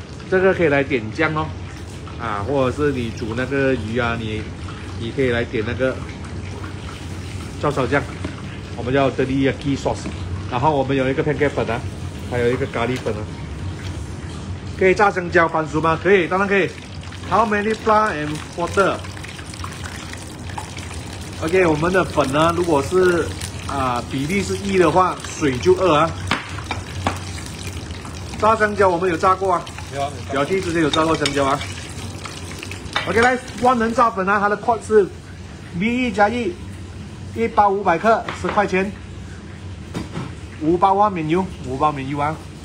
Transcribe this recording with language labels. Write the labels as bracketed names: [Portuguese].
[Chinese] 这个可以来点酱哦。或者是你煮那个鱼啊，你可以来点那个照烧酱，我们叫 teriyaki sauce。然后我们有一个 pancake 粉啊，还有一个咖喱粉啊。可以炸香蕉、番薯吗？可以，当然可以。 [English] How many flour and water？ [Chinese] OK， 我们的粉呢，如果是比例是一的话，水就二啊。炸香蕉我们有炸过啊，表弟之前有炸过香蕉啊。 OK， 来万能炸粉啊，它的块是 B 一加一，一包500克，10块钱，5包免邮啊。